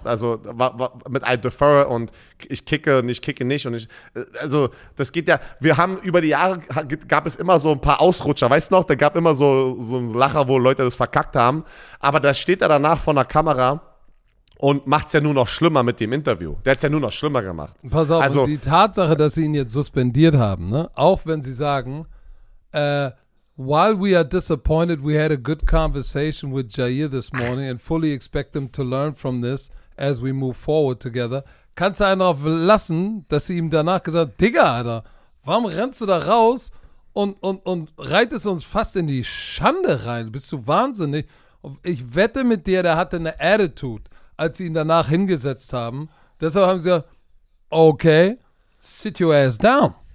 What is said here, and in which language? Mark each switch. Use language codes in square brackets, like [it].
[de] Also mit [en] I defer [de] und ich kicke und ich kicke nicht. Und ich, also das geht ja, wir haben über die Jahre, gab es immer so ein paar Ausrutscher, weißt du noch? Da gab immer so ein Lacher, wo Leute das verkackt haben. Aber da steht er danach vor einer Kamera und macht es ja nur noch schlimmer mit dem Interview. Der hat es ja nur noch schlimmer gemacht. Pass auf, also, die Tatsache, dass sie ihn jetzt suspendiert haben, ne? Auch wenn sie sagen, [en] while we are disappointed, we had a good conversation with Jair this morning and fully expect him to learn from this as we move forward together. [de] Kannst du einen darauf lassen, dass sie ihm danach gesagt hat, Digga, Alter, warum rennst du da raus und reitest uns fast in die Schande rein? Bist du wahnsinnig? Ich wette mit dir, der hatte eine Attitude, als sie ihn danach hingesetzt haben. Deshalb haben sie gesagt, okay, [en] sit your ass down.